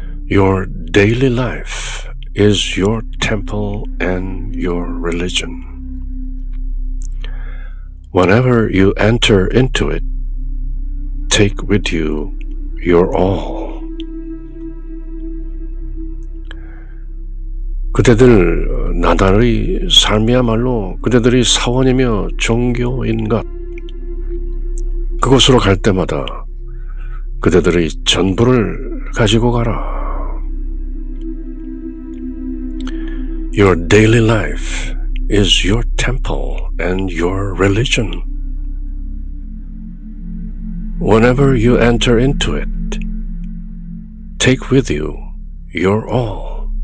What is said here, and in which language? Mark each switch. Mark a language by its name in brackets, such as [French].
[English] Your daily life is your temple and your religion. Whenever you enter into it, take with you your all. [Korean] 그대들 나날의 삶이야말로 그대들이 사원이며 종교인 것. 그곳으로 갈 때마다 그대들의 전부를 가지고 가라. [English] Your daily life is your temple and your religion. Whenever you enter into it, take with you your all.